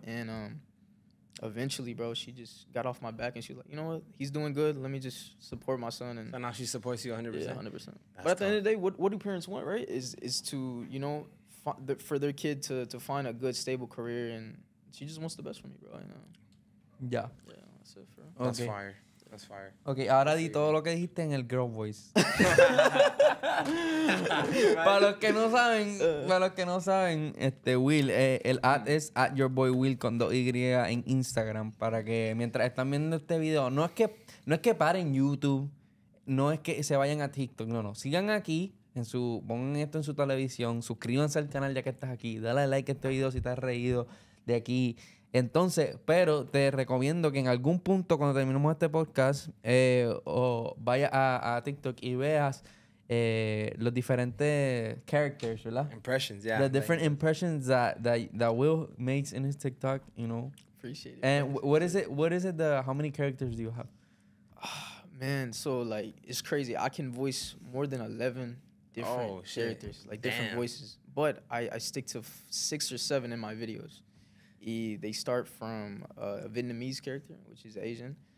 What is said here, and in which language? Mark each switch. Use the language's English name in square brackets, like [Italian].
[English] And, eventually, bro, she just got off my back and she was like, you know what? He's doing good. Let me just support my son. And so now she supports you 100%. Yeah, 100%. That's but at the end of the day, what do parents want, right? Is to, you know, for their kid to find a good, stable career. And she just wants the best for me, bro. You know? Yeah. Yeah, that's it, bro. Okay. That's fire. That's fire. [Spanish] Okay, ahora di todo lo que dijiste en el [English] girl voice. [Spanish] Para los que no saben, Will, el ad es @yourboywill con 2 Y en Instagram. Para que mientras están viendo este video, no es que paren YouTube, no es que se vayan a TikTok, no. Sigan aquí, pongan esto en su televisión, suscríbanse al canal ya que estás aquí, dale like a este video si te has reído de aquí. Entonces, pero te recomiendo que en algún punto cuando terminemos este podcast vaya a TikTok y veas los diferentes characters, ¿verdad? [English] Impressions, yeah. The different impressions that Will makes in his TikTok, you know. Appreciate it. And what is it? What is it? How many characters do you have? Oh, man, so like it's crazy. I can voice more than 11 different characters, like different voices. But I stick to 6 or 7 in my videos. They start from a Vietnamese character, which is Asian.